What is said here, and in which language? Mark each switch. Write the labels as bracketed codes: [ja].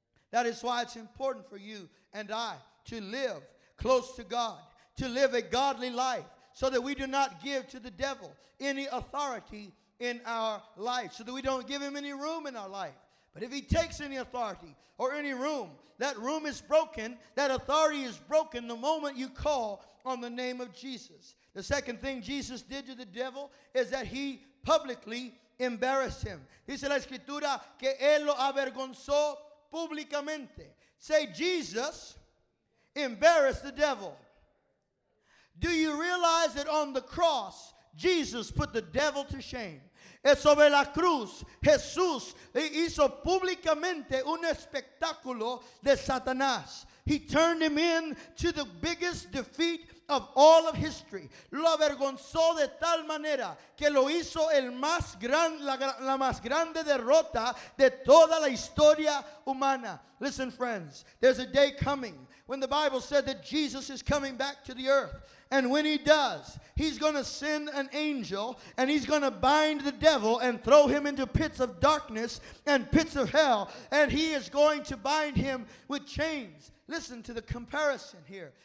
[en] That is why it's important for you and I to live close to God, to live a godly life, so that we do not give to the devil any authority in our life, so that we don't give him any room in our life. But if he takes any authority or any room, that room is broken, that authority is broken the moment you call on the name of Jesus. The second thing Jesus did to the devil is that he publicly embarrassed him. [es] Dice la escritura que él lo avergonzó públicamente. [en] Say, Jesus embarrassed the devil. Do you realize that on the cross, Jesus put the devil to shame? [es] Es sobre la cruz, Jesús hizo públicamente un espectáculo de Satanás. [en] He turned him in to the biggest defeat of all of history. [es] Lo avergonzó de tal manera que lo hizo la más grande derrota de toda la historia humana. [en] Listen, friends, there's a day coming when the Bible said that Jesus is coming back to the earth. And when he does, he's going to send an angel and he's going to bind the devil and throw him into pits of darkness and pits of hell. And he is going to bind him with chains. Listen to the comparison here.